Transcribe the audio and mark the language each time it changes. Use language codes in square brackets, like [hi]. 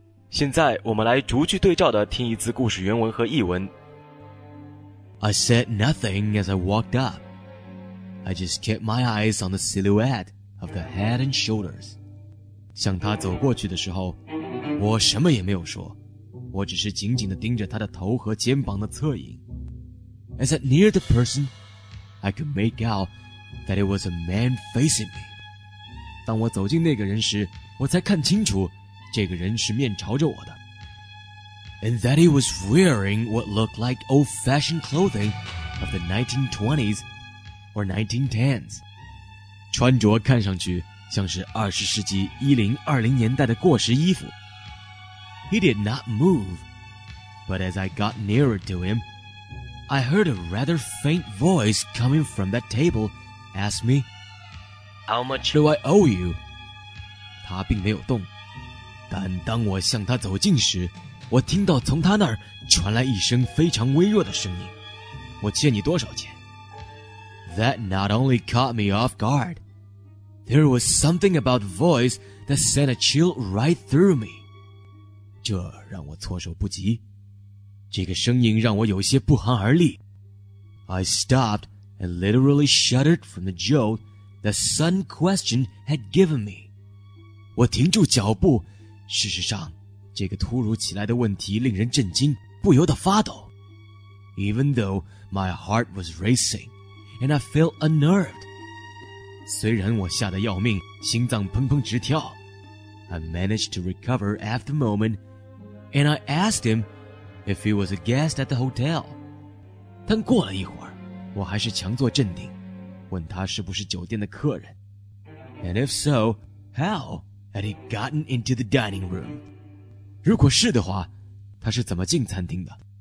[zh] 现在我们来逐句对照的听一次故事原文和译文。 [en] I said nothing as I walked up. I just kept my eyes on the silhouette of the head and shoulders. [zh] 向他走过去的时候，我什么也没有说，我只是紧紧地盯着他的头和肩膀的侧影。 [en] As I neared the person, I could make out that it was a man facing me. [zh] 当我走近那个人时，我才看清楚，这个人是面朝着我的。 [en] And that he was wearing what looked like old-fashioned clothing of the 1920s or 1910s. [zh] 穿着看上去像是20世纪1020年代的过时衣服。 [en] He did not move, but as I got nearer to him, I heard a rather faint voice coming from that table ask me, How much do I owe you? [zh] 他并没有动，但当我向他走近时，我听到从他那儿传来一声非常微弱的声音，我欠你多少钱？ [en] That not only caught me off guard, there was something about the voice that sent a chill right through me. [zh] 这让我措手不及，这个声音让我有些不寒而栗。 [en] I stopped and literally shuddered from the jolt the sudden question had given me. [zh] 我停住脚步，事实上这个突如其来的问题令人震惊，不由得发抖。 [en] Even though my heart was racing, and I felt unnerved. [zh] 虽然我吓得要命，心脏砰砰直跳， [en] I managed to recover at the moment, and I asked him if he was a guest at the hotel. [zh] 但过了一会儿，我还是强作镇定，问他是不是酒店的客人。 [en] And if so, how had he gotten into the dining room? [zh] 如果是的话，他是怎么进餐厅的？